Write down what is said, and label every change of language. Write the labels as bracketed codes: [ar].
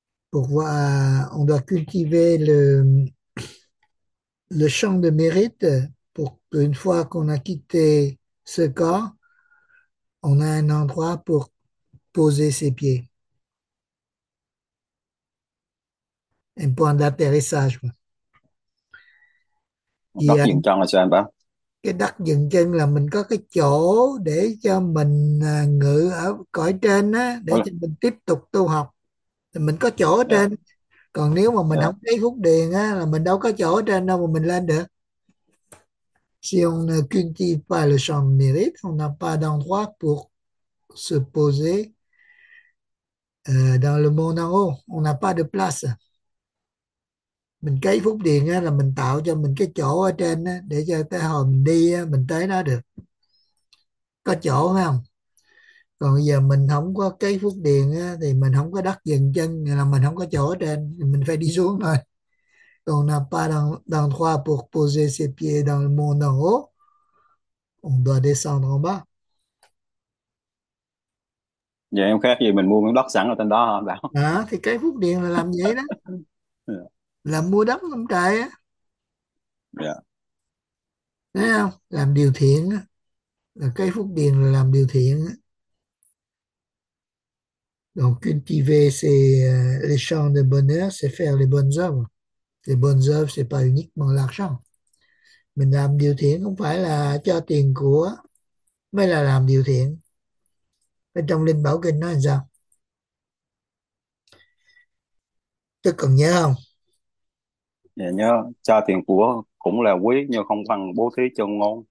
[fr] On doit cultiver le champ de mérite pour qu'une fois qu'on a quitté ce corps, on a un endroit pour poser ses pieds. Un point d'atterrissage. Il y [vi] Đất [fr] a [vi] dừng chân là sao anh bảo? cái đất dừng chân, là mình có cái chỗ để cho mình ngự ở cõi trên á, để cho mình tiếp tục tu học. Thì mình có chỗ ở trên. Còn nếu mà mình không lấy phúc điền á, là mình đâu có chỗ ở trên đâu mà mình lên được. [fr] Si on ne cultive pas le champ de mérite, on n'a pas d'endroit pour se poser dans le monde en haut. On n'a pas de place. [vi] Mình cấy phúc điền á, là mình tạo cho mình cái chỗ ở trên á, để cho tới hồi mình đi á, mình tới đó được. Có chỗ phải không? Còn bây giờ mình không có cái phúc điền á, thì mình không có đất dừng chân, là mình không có chỗ trên, mình phải đi xuống thôi. [fr] On n'a pas d'endroit pour poser ses pieds dans le monde en haut. On doit descendre en bas. [vi] Vậy em khác gì mình mua miếng đất sẵn ở trên đó hả anh À, thì cái phúc điền là làm vậy đó. Là mua đất trong trời á. Thấy không? Làm điều thiện á. Là cái phúc điền là làm điều thiện á. [fr] Donc, cultiver les champs de bonheur, c'est faire les bonnes œuvres. Les bonnes œuvres, ce n'est pas uniquement l'argent. [vi] Mình làm điều thiện không phải là cho tiền của, mới là làm điều thiện. Ở trong Linh Bảo Kinh nói làm sao? Tôi còn nhớ không? Dạ nhớ, cho tiền của cũng là quý nhưng không bằng bố thí cho ngon.